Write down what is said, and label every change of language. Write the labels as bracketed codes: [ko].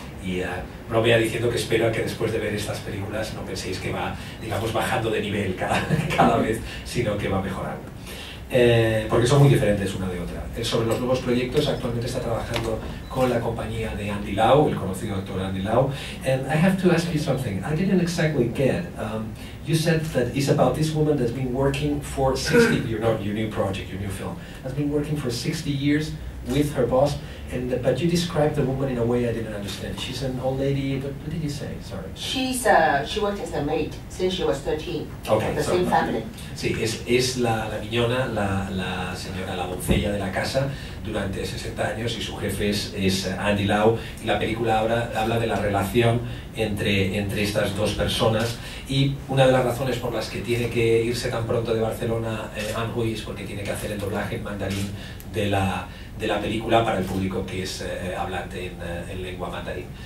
[es] Y no voy a diciendo que espero que después de ver estas películas no penséis que va, digamos, bajando de nivel cada vez, sino que va mejorando. Porque son muy diferentes una de otra. Sobre los nuevos proyectos, actualmente está trabajando con la compañía de Andy Lau, el conocido actor Andy Lau. [en] And I have to ask you something. I didn't exactly get. You said that it's about this woman that's been working for 60, your new project, your new film, has been working for 60 years with her boss, but you described the woman in a way I didn't understand. She's an old lady, but what did you say? Sorry. She worked as a maid since she was 13. Okay. The same family. [es] Sí, es la niñona, la señora, la doncella de la casa durante 60 años, y su jefe es Andy Lau, y la película habla de la relación entre estas dos personas. Y una de las razones por las que tiene que irse tan pronto de Barcelona, Anhui, es porque tiene que hacer el doblaje en mandarín de la película para el público que es hablante en lengua mandarín.